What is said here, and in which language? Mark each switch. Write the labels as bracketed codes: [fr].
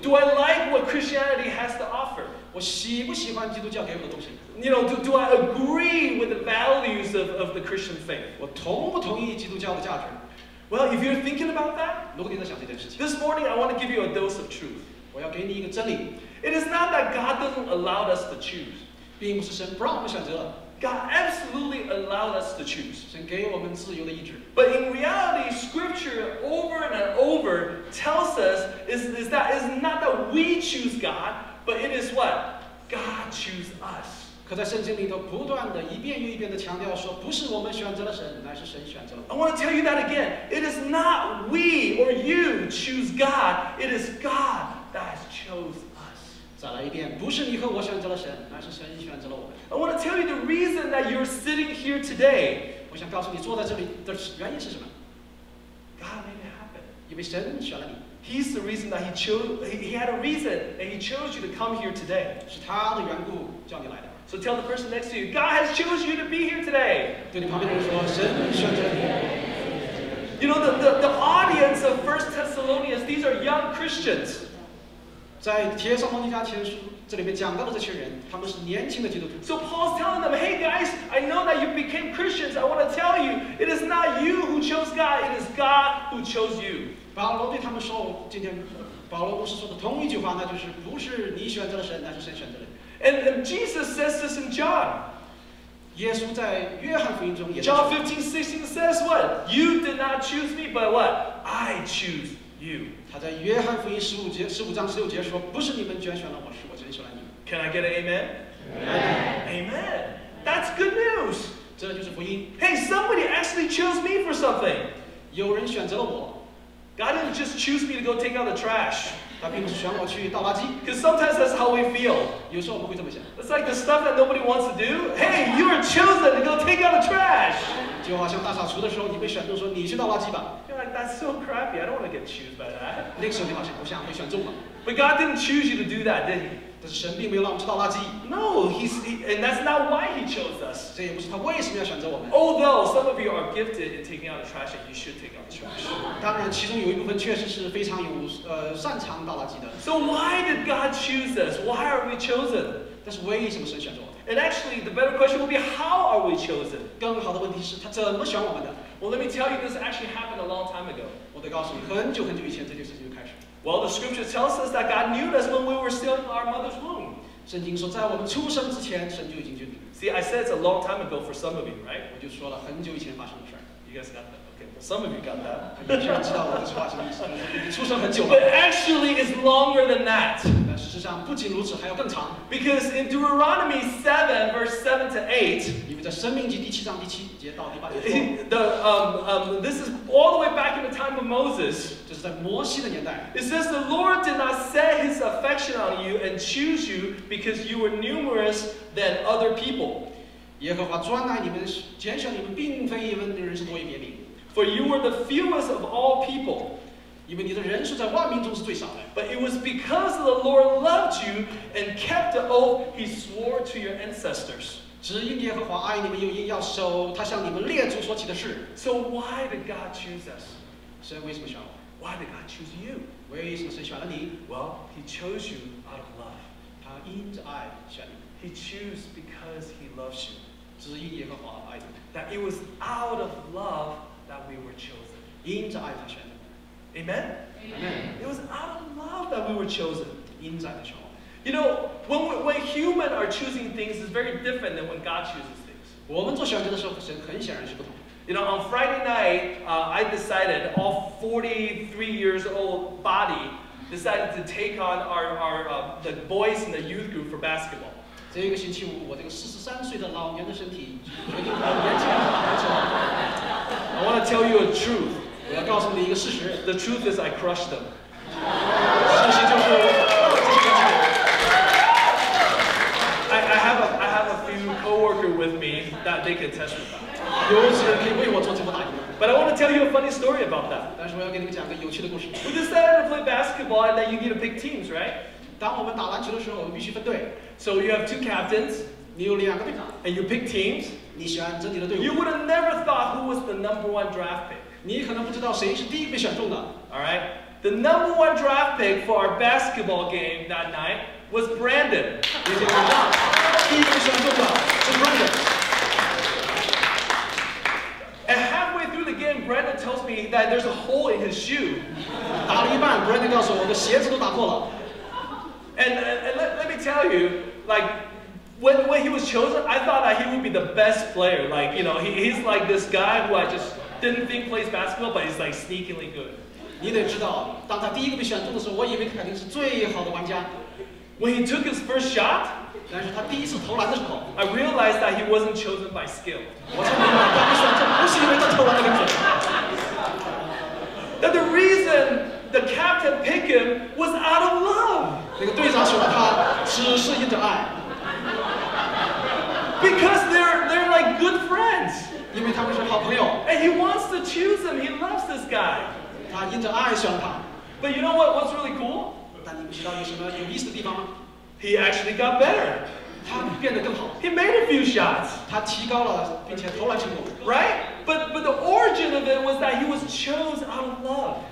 [en] ？Do I like what Christianity has to offer？ [zh] 我喜不喜欢基督教给我的东西 [en] ？You know, do I agree with the values of the Christian faith？ [zh] 我同不同意基督教的价值 [en] ？Well, if you're thinking about that， [zh] 如果你在想这件事情 [en] ，This morning I want to give you a dose of truth。 [zh] 我要给你一个真理。 [en] It is not that God doesn't allow us to choose， [zh] 并不是神不让我们选择。 [en] God absolutely allowed us to choose. [zh] 神给我们自由的意志。 [en] But in reality, Scripture over and over tells us is not that we choose God, but it is what? God chooses us. [zh] 可在圣经里头不断的一遍又一遍的强调说，不是我们选择了神，乃是神选择了。 [en] I want to tell you that again. It is not we or you choose God. It is God that has chosen. [zh] 再来一遍，不是你和我选择了神，而是神选择了我们。 [en] I want to tell you the reason that you're sitting here today. [zh] 我想告诉你，坐在这里的原因是什么 [en] ？God made it happen. [zh] 因为神选了你。 [en] He's the reason that he had a reason and he chose you to come here today. [zh] 是他的缘故叫你来的。 [en] So tell the person next to you, God has chosen you to be here today. [zh] 对你旁边的人说，神选择了你。 [en] You know the audience of 1 Thessalonians. These are young Christians. [zh] 在帖撒罗尼迦前书这里面讲到的这些人，他们是年轻的基督徒。 [en] So Paul's telling them, "Hey guys, I know that you became Christians. I want to tell you, it is not you who chose God; it is God who chose you." [zh] 保罗对他们说，今天保罗牧师说的同一句话，那就是不是你选择了神，乃是神选择了你。 [en] And Jesus says this in John. [zh] 耶稣在约翰福音中也。 [en] John 15:16 says what? You did not choose me, but what? I choose. You. [zh] 他在约翰福音十五节十五章十六节说：“不是你们拣选了我，是我拣选了你们。” [en] Can I get an amen? Amen. Amen. That's good news. [zh] 这就是福音。 [en] Hey, somebody actually chose me for something. [zh] 有人选择了我。 [en] God didn't just choose me to go take out the trash. [zh] 他并不是选我去倒垃圾。 [en] Because sometimes that's how we feel. [zh] 有时候我们会这么想。 [en] It's like the stuff that nobody wants to do. Hey, you are chosen to go take out the trash. [zh] 就好像大扫除的时候，你被选中说你去倒垃圾吧。 [en] You're like that's so crappy. I don't want to get choose by that. [zh] 那个时候你好像不像被选中了。 [en] But God didn't choose you to do that, did He? [zh] 但是神并没有让我们去倒垃圾。 [en] No, He's and that's not why He chose us. [zh] 这也不是他为什么要选择我们。 [en] Although some of you are gifted in taking out the trash, and you should take out the trash. [zh] 当然，其中有一部分确实是非常有擅长倒垃圾的。 [en] So why did God choose us? Why are we chosen? [zh] 但是为什么神选中我？ [en] And actually, the better question would be, how are we chosen? [zh] 更好的问题是，他怎么选我们的？ [en] Well, let me tell you, this actually happened a long time ago. [zh] 我得告诉你，很久很久以前，这件事情就开始。 [en] Well, the scripture tells us that God knew us when we were still in our mother's womb. [zh] 圣经说，在我们出生之前，神就已经知道。 [en] See, I said it's a long time ago for some of you, right? [zh] 我就说了很久以前发生的事。 [en] You guys got that? Okay, well, some of you got that. [zh] 你居然知道我的话什么意思？出生很久。 [en] But actually, it's longer than that. [zh] 但事实上不仅如此，还要更长。 [en] Because in Deuteronomy 7, verse 7 to 8, [zh] 因为在申命记第七章第七节到第八节。 [en] This is all the way back in the time of Moses. [zh] 这是在摩西的年代。 [en] It says the Lord did not set His affection on you and choose you because you were numerous than other people. [zh] 耶和华专爱你们，拣选你们，并非因为你的人数多于别民。 [en] For you were the fewest of all people， [zh] 因为你的人数在万民中是最少的。 [en] But it was because the Lord loved you and kept the oath He swore to your ancestors。 [zh] 只因耶和华爱你们，又因要守他向你们列祖所起的誓。 [en] So why did God choose us？ [zh] 神为什么选我 [en] ？Why did God choose you？ [zh] 为什么神选了你 [en] ？Well, He chose you out of love。 [zh] 他因着爱选你。 [en] He chose because He loves you. [zh] 只因耶和华爱你。 [en] That it was out of love that we were chosen. [zh] 因着爱他选的。 [en] Amen? Amen. It was out of love that we were chosen. [zh] 因着爱他选我。 [en] You know, when humans are choosing things, it's very different than when God chooses things. [zh] 我们做选择的时候，神很显然是不同。 [en] You know, on Friday night, I decided, all 43-year-old body decided to take on the boys in the youth group for basketball. [zh] 这个星期五，我这个43岁的老年的身体决定把年轻人打球。 [en] I want to tell you a truth. [zh] 我要告诉你一个事实。 [en] The truth is I crushed them. [zh] 事实就是我击败了。 [en] I have a few coworker with me that they can testify. [zh] 有几人可以为我做这个打工。 [en] But I want to tell you a funny story about that. [zh] 但是我要给你们讲个有趣的故事。 [en] We decided to play basketball, and then you need to pick teams, right? [zh] 当我们打篮球的时候，我们必须分队。 [en] So you have two captains, [zh] 你有两个队长 [en] ，and you pick teams, [zh] 你选择你的队伍。 [en] You would have never thought who was the number one draft pick. [zh] 你可能不知道谁是第一被选中的。 [en] All right, the number one draft pick for our basketball game that night was Brandon. [zh] 你听到了，第一被选中的是 Brandon。 [en] And halfway through the game, Brandon tells me that there's a hole in his shoe. [zh] 打了一半 ，Brandon 告诉我的鞋子都打破了。 [en] And let me tell you, like, when he was chosen, I thought that he would be the best player. Like, you know, he's like this guy who I just didn't think plays basketball, but he's like sneakily good. [zh] 你得知道，当他第一个被选中的时候，我以为他肯定是最好的玩家。 [en] When he took his first shot, [zh] 但是他第一次投篮的时候 [en] I realized that he wasn't chosen by skill. [zh] 我才明白，他被选中不是因为他投篮的能力。 [en] That the reason the captain picked him was out of love. [zh] 那个队长选了他，只是因着爱。 [en] Because they're like good friends. [zh] 因为他们是好朋友。 [en] And he wants to choose him. He loves this guy. [zh] 他因着爱选他。 [en] But you know what? What's really cool? [zh] 但你们知道有什么有意思的地方吗 [en] ？He actually got better. [zh] 他变得更好。 [en] He made a few shots. [zh] 他提高了，并且投篮成功。 [en] Right? But the origin of it was that he was chosen out of love.